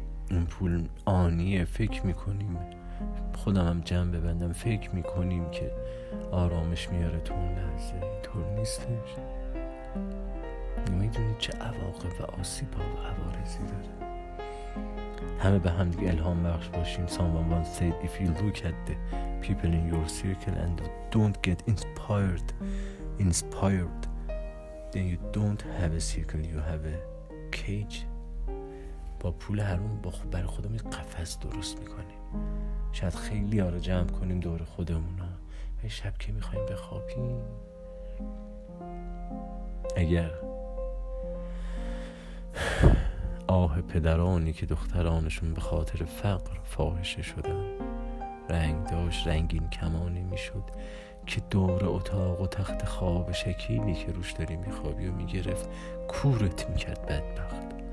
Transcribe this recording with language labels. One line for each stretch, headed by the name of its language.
Persian: اون پول آنیه، فکر میکنیم، خودم هم جمع ببندم، فکر میکنیم که آرامش میاره تو اون لحظه، اینطور نیستش. نمیدونی چه عواقب و آسیب ها و عوارضی داره. همه به هم دیگه الهام بخش باشیم.
English: Someone said if you look at the people in your circle and don't get inspired then you don't have a circle, you have a cage.
Persian: با پول هرون با خود برای خودم یک قفس درست میکنیم. شاید خیلی ها رو جمع کنیم دور خودمون ها، و شب که میخواییم بخوابیم، اگر آه پدرانی که دخترانشون به خاطر فقر فاحشه شدن، رنگ داشت، رنگین کمانی میشد که دور اتاق و تخت خواب شکیلی که روش داری میخوابی و میگرفت کورت میکرد بدبخت.